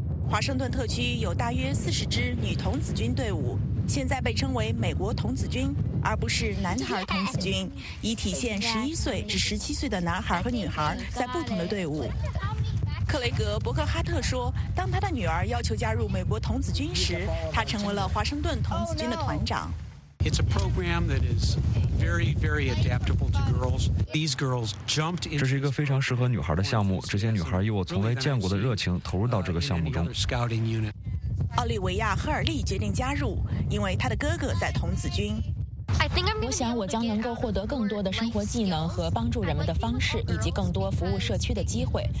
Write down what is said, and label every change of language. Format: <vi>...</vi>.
<zh>华盛顿特区有大约40支女童子军队伍，现在被称为美国童子军，而不是男孩童子军，以体现11岁至17岁的男孩和女孩在不同的队伍。克雷格·伯克哈特说，当他的女儿要求加入美国童子军时，他成为了华盛顿童子军的团长。</zh> <en>It's a program that is very, very adaptable to girls. These girls jumped in.</en> <zh>这是一个非常适合女孩的项目。这些女孩以我从未见过的热情投入到这个项目中。奥利维亚·赫尔利决定加入，因为她的哥哥在童子军。我想我将能够获得更多的生活技能和帮助人们的方式，以及更多服务社区的机会。</zh>